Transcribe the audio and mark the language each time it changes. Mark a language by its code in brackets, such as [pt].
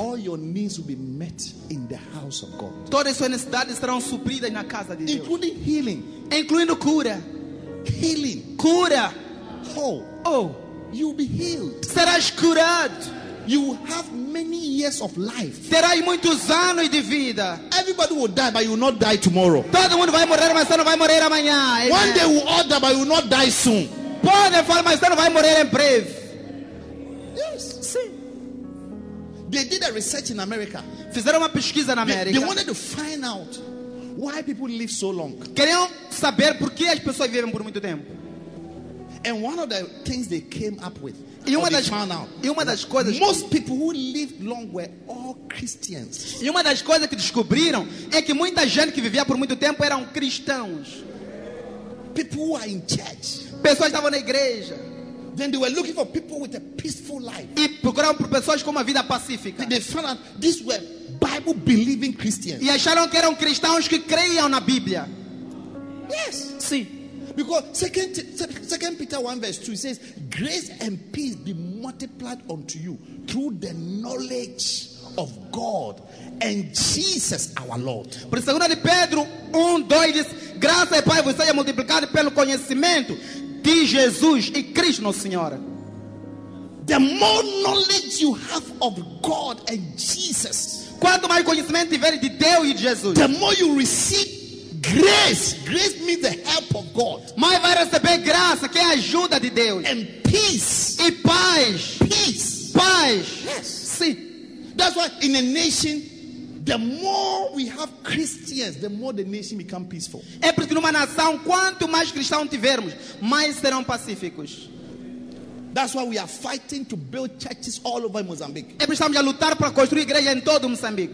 [en] All your needs will be met in the house of God. [pt] Todas as suas necessidades serão supridas na casa de Deus. [en] Including healing. [pt] Incluindo cura. [en] Healing. [pt] Cura. [en] Whole. Oh. You'll be healed. [pt] Serás curado. [en] You will have many years of life. [pt] Terás muitos anos de vida. [en] Everybody will die, but you will not die tomorrow. [pt] Todo mundo vai morrer, mas não vai morrer amanhã. [en] Amen. One day will all die, but you will not die soon. [pt] Pode falar, mas não vai morrer em breve. [en] Yes. [pt] Sim. [en] They did a research in America. [pt] Fizeram uma pesquisa na América. [en] They wanted to find out why people live so long. [pt] Queriam saber por que as pessoas vivem por muito tempo. [en] And one of the things they came up with. [pt] E uma das coisas [en] most people who lived long were all Christians. [pt] E uma das coisas que descobriram é que muita gente que vivia por muito tempo eram cristãos. [en] People who are in church. [pt] Pessoas estavam na igreja. [en] Then they were looking for people with a peaceful life. [pt] E procuraram por pessoas com uma vida pacífica. [en] They found out these were Bible believing Christians. [pt] E acharam que eram cristãos que creiam na Bíblia. [en] Yes. [pt] Sim. [en] Because 2 Peter 1 verse 2 says, grace and peace be multiplied unto you through the knowledge of God and Jesus our Lord. [pt] Por 2 Pedro 1, 2 diz, graça e paz vos seja multiplicada pelo conhecimento de Jesus e Cristo nosso Senhor. [en] The more knowledge you have of God and Jesus, [pt] quanto mais conhecimento tiver de Deus e de Jesus, [en] the more you receive grace. Grace means the help of God. [pt] Mas vai receber graça, que é a ajuda de Deus. [en] And peace. [pt] E paz. [en] Peace. [pt] Paz. [en] Yes. [pt] Sim. [en] That's why in a nation, the more we have Christians, the more the nation becomes peaceful. [pt] É porque numa nação, quanto mais cristãos tivermos, mais serão pacíficos. [en] That's why we are fighting to build churches all over Mozambique. [pt] É por isso que estamos a lutar para construir igrejas em todo Moçambique.